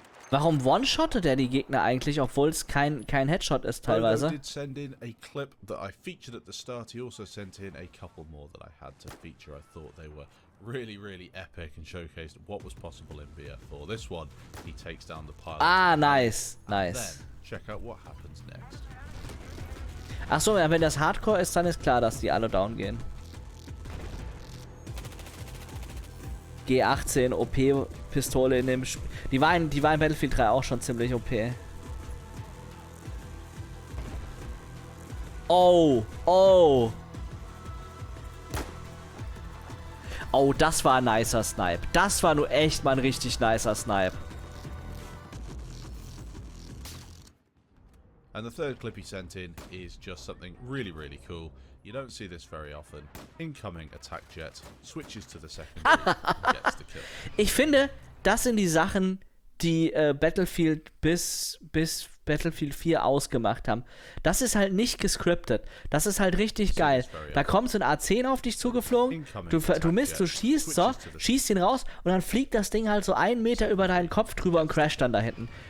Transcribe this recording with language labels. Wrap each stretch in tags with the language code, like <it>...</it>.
<de>Warum one-shottet er die Gegner eigentlich, obwohl es kein Headshot ist teilweise?</de> <en>Did send in a clip that I featured at the start. He also sent in a couple more that I had to feature. I thought they were really, really epic and showcased what was possible in BF4. This one, he takes down the pilot. Ah, nice, nice. Check out what happens next.</en> <de>Ach so, ja, wenn das Hardcore ist, dann ist klar, dass die alle down gehen. G18 OP-Pistole in dem Spiel. Die war in Battlefield 3 auch schon ziemlich OP. Oh. Oh, das war ein nicer Snipe. Das war nur echt mal ein richtig nicer Snipe.</de> <en>And the third clip he sent in is just something really, really cool. You don't see this very often. Incoming attack jet switches to the second and gets the kill.</en> <de>Ich finde, das sind die Sachen, die Battlefield bis Battlefield 4 ausgemacht haben. Das ist halt nicht gescriptet. Das ist halt richtig geil. Da kommt so ein A10 auf dich zugeflogen. Du schießt ihn raus und dann fliegt das Ding halt so einen Meter über deinen Kopf drüber und crasht dann da hinten.</de>